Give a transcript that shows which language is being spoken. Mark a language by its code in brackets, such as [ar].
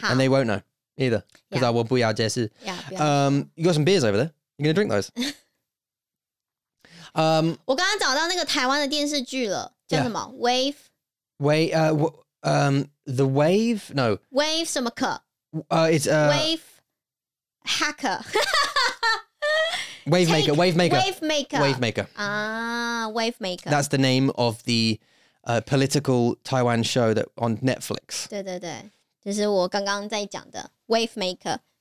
[en] 好. And they won't know either. Because yeah. I will be out there. You got some beers over there. You're going to drink those. [zh] 我刚刚找到那个台湾的电视剧了, 叫什么? [en] Yeah. Wave? Wave, The Wave? No. [zh] Wave 什么课? [en] It's Wave Hacker. Wave Maker, Wave Maker. Wave Maker. Wave Maker. Ah, Wave Maker. That's the name of the... a political Taiwan show that on Netflix. [zh] 对对对,就是我刚刚在讲的 Wave Maker.